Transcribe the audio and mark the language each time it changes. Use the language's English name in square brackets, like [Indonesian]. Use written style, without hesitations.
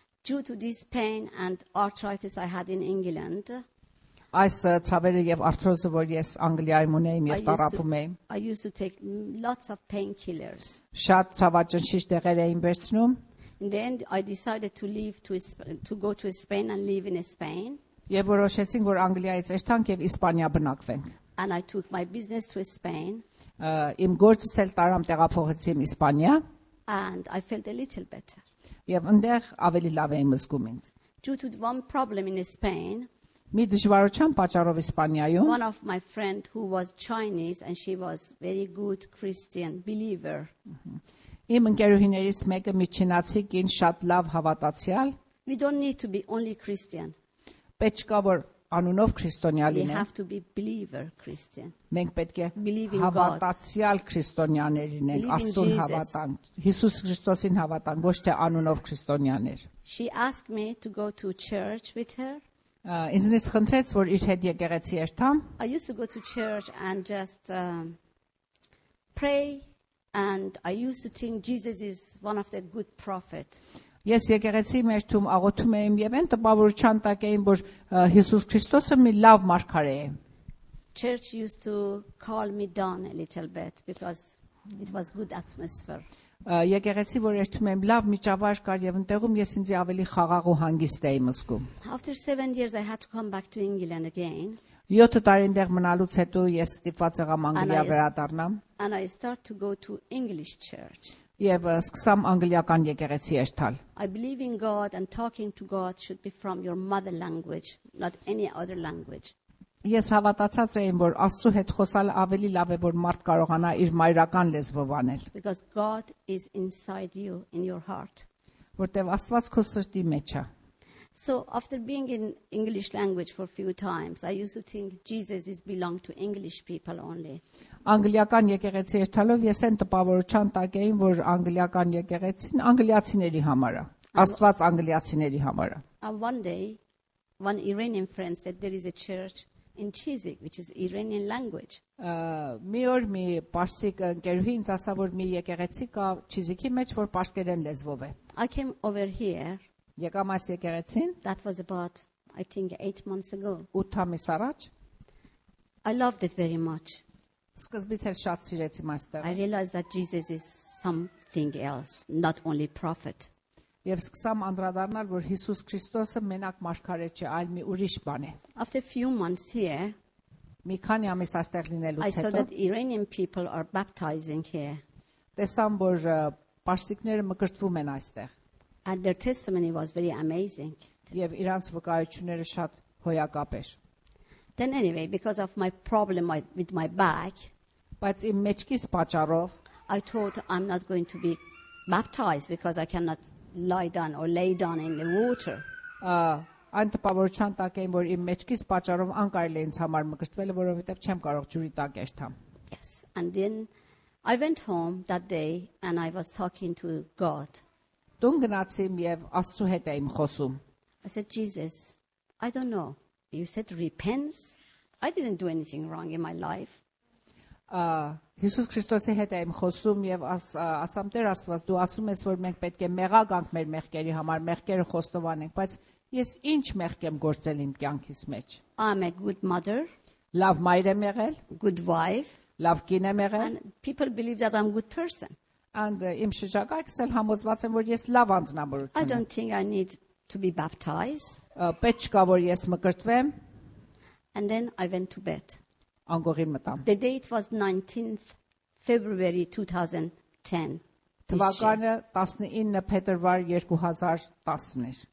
[English] Due to this pain and arthritis I had in England. [Armenian] այս ցավերը եւ արթրոզը, որ ես Անգլիայում ունեի եւ տարապում էի, [English] I used to take lots of painkillers. [Armenian] Շատ ցավաճնշիչ դեղեր էին վերցնում. [English] And then I decided to leave to go to Spain and live in Spain. [Armenian] Եվ որոշեցինք, որ Անգլիայից երթանք եւ Իսպանիա բնակվենք. [English] And I took my business to Spain. [Armenian] Իմ գործս էլ տարամ տեղափոխեցի Իսպանիա. [English] And I felt a little better. [Armenian] Եվ այնտեղ ավելի լավ էի զգում ինձ. [English] Due to one problem in Spain. [Armenian] Մի դժվարության պատճառով Իսպանիայում. [English] One of my friend who was Chinese and she was very good Christian believer. [Armenian] Իմ ընկերուհիներից մեկը մի չինացի կին շատ լավ հավատացյալ. [English] We don't need to be only Christian. [Armenian] Պետք չկա որ անունով քրիստոնյա լինեն. [English] You have to be believer Christian. [Armenian] Մենք պետք է հավատացյալ քրիստոնյաներ լինենք, աստուն հավատանք, Հիսուս Քրիստոսին հավատանք, ոչ թե անունով քրիստոնյաներ. [English] She asked me to go to church with her. [Armenian] Ինձ նից խնդրեց, որ իր հետ եկեղեցի երթամ. [English] I used to go to church and just pray and I used to think Jesus is one of the good prophets. [Armenian] Ես եկեղեցի մեջ թում աղոթում եմ եւ այն տպավորության տակ էին, որ Հիսուս Քրիստոսը մի լավ մարգարե է։ [English] Church used to calm me down a little bit because it was good atmosphere. [Armenian] Եկեղեցի, որ երթում եմ, լավ միջավայր կար եւ ընդեղում ես ինձ ավելի խաղաղ ու հանգիստ էի մսկում։ [English] After 7 years I had to come back to England again. [Armenian] 7 տարի այնտեղ մնալուց հետո ես ստիպված եղամ Անգլիա վերադառնամ։ [English] And I start to go to English church. [Armenian] Եվ սկսամ անգլիական եկեղեցի երթալ։ [English] I believe in God and talking to God should be from your mother language, not any other language. [Armenian] Ես հավատացած եմ, որ Աստծո հետ խոսալ ավելի լավ է, որ մարդ կարողանա իր մայրական լեզվով անել։ [English] Because God is inside you in your heart. [Armenian] Որտեղ Աստված քո սրտի մեջ է։ [English] So after being in English language for a few times, I used to think Jesus is belong to English people only. [Armenian] Անգլիական եկեղեցի երթալով ես այն տպավորության տակ էին, որ անգլիական եկեղեցին անգլիացիների համար է, Աստված անգլիացիների համար է։ [English] One day one Iranian friend said there is a church in Chizik which is Iranian language. [Armenian] Մի օր մի պարսիկ ընկերուհի ինձ ասաց, որ մի եկեղեցի կա Չիզիկի մեջ, որ պարսկերեն լեզվով է։ [English] I came over here. [Armenian] Եկամ այս եկեղեցին։ [English] That was about I think 8 months ago. [Armenian] 8 ամիս առաջ։ [English] I loved it very much. [Armenian] Սկզբից էլ շատ սիրեցի այստեղ։ [English] I realized that Jesus is something else, not only prophet. [Armenian] Եվ սկսամ անդրադառնալ, որ Հիսուս Քրիստոսը մենակ մարգարե չէ, այլ մի ուրիշ բան է։ [English] After a few months here, [Armenian] մի քանի ամիս այստեղ լինելուց հետո, [English] I saw that Iranian people are baptizing here. [Armenian] Տեսամ, որ պարսիկները մկրտվում են այստեղ։ [English] And their testimony was very amazing. [Armenian] Եվ իրանց վկայությունները շատ հոյակապ էր։ [English] Then anyway, because of my problem with my back, [Armenian] բայց իմ մեջքի պատճառով, [English] I thought I'm not going to be baptized because I cannot lie down or lay down in the water. [Armenian] Այն տպավորության տակ էին, որ իմ մեջքի պատճառով անկարելի ինձ համար մկրտվելը, որովհետև չեմ կարող ջուրի տակ երթամ։ [English] Yes, and then I went home that day and I was talking to God. [Armenian] Տուն գնացի եւ Աստծո հետ էի խոսում։ [English] I said, Jesus, I don't know. You said repents. I didn't do anything wrong in my life. [Armenian] Հիսուս Քրիստոսի հետ եմ խոսում եւ ասամ Տեր Աստված, դու ասում ես, որ մենք պետք է մեղագանք մեր մեղքերի համար, մեղքերը խոստովանենք, բայց ես ի՞նչ մեղք եմ գործել իմ կյանքիս մեջ։ [English] I'm a good mother. [Armenian] Լավ մայր եմ եղել։ [English] Good wife. [Armenian] Լավ կին եմ եղել։ [English] And people believe that I'm a good person. And [Armenian] իմ շրջակայքս էլ համոզված են, որ ես լավ անձնավորություն ունեմ։ [English] I don't think I need to be baptized. [Armenian] Պետքա որ ես մկրտվեմ։ [English] And then I went to bed. [Armenian] Անգորին մտամ։ [English] The date was 19th February 2010. [Armenian] Թվականը 19 փետրվար 2010 էր։